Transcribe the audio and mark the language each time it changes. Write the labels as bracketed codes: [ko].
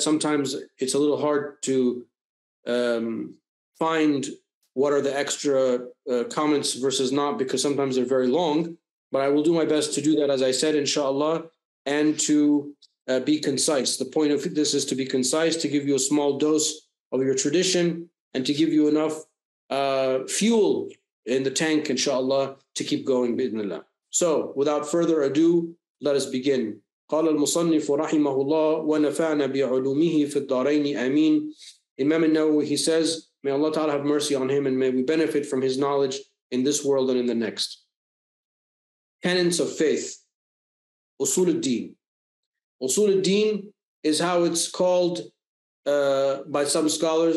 [en] Sometimes it's a little hard to find what are the extra comments versus not, because sometimes they're very long, but I will do my best to do that, as I said, inshallah, and to be concise. The point of this is to be concise, to give you a small dose of your tradition, and to give you enough fuel in the tank, inshallah, to keep going, bi-idhnillah. So, without further ado, let us begin. [ar] قال المصنف رحمه الله ونفعنا بعلومه في الدارين آمين. [en] Imam al-Nawawi, he says, may Allah Ta'ala have mercy on him, and may we benefit from his knowledge in this world and in the next. Tenets of faith. Usul al-Din. Usul al-Din is how it's called by some scholars.